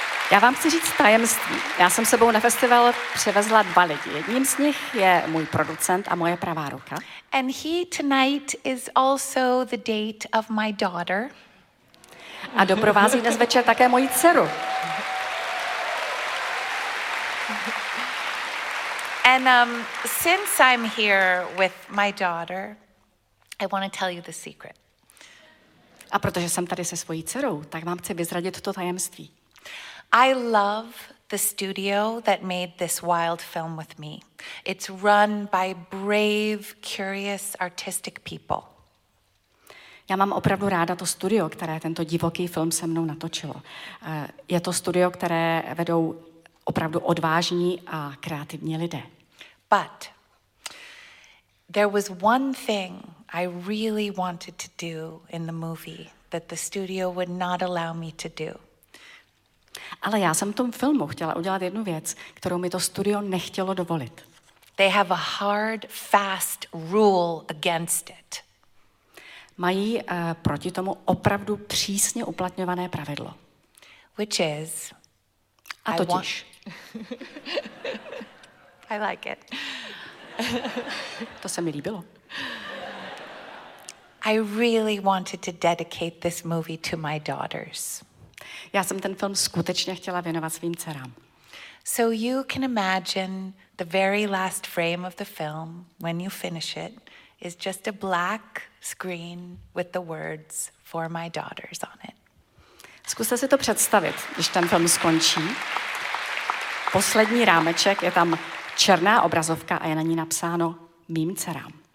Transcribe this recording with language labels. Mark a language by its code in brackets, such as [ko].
[cs] Já vám chci říct tajemství. Já jsem sebou na festival přivezla dva lidi. Jedním z nich je můj producent a moje pravá ruka. [en] And he tonight is also the date of my daughter. [cs] A doprovází dnes večer také moji dceru. [en] And since I'm here with my daughter, I want to tell you the secret. [cs] A protože jsem tady se svojí dcerou, tak vám chci vyzradit to tajemství. [en] I love the studio that made this wild film with me. It's run by brave, curious, artistic people. [cs] Já mám opravdu ráda to studio, které tento divoký film se mnou natočilo. Je to studio, které vedou opravdu odvážní a kreativní lidé. [en] But there was one thing I really wanted to do in the movie that the studio would not allow me to do. [cs] Ale já jsem v tom filmu chtěla udělat jednu věc, kterou mi to studio nechtělo dovolit. [en] They have a hard, fast rule against it. [cs] mají proti tomu opravdu přísně uplatňované pravidlo. [en] Which is, [cs] a totiž. [en] I like it. [cs] To se mi líbilo. [en] I really wanted to dedicate this movie to my daughters. [cs] Já jsem ten film skutečně chtěla věnovat svým dcerám. [en] So you can imagine the very last frame of the film when you finish it is just a black screen with the words "for my daughters" on it. [cs] Zkuste si to představit, když ten film skončí. Poslední rámeček, je tam černá obrazovka a je na ní napsáno mým dcerám.